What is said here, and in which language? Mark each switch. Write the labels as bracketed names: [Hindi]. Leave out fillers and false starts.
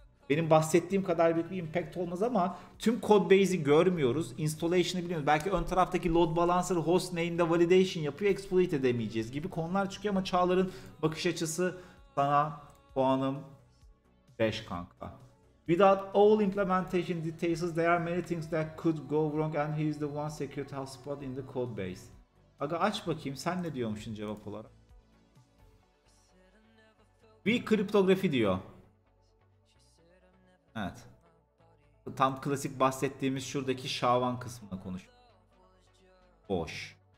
[Turkish] Benim bahsettiğim kadar büyük bir impact olmaz ama tüm codebase'i görmüyoruz. Installation'ı biliyoruz. Belki ön taraftaki load balancer host name'de validation yapıyor, exploit edemeyeceğiz gibi konular çıkıyor ama Çağlar'ın bakış açısı sana puanım 5 kanka. [English] Without all implementation details, there are many things that could go wrong and he is the one security hotspot in the codebase. [Turkish] Aga aç bakayım, sen ne diyormuşsun cevap olarak? Weak cryptography diyor. Evet. Tam klasik bahsettiğimiz şuradaki Şavan kısmına konuş. Boş.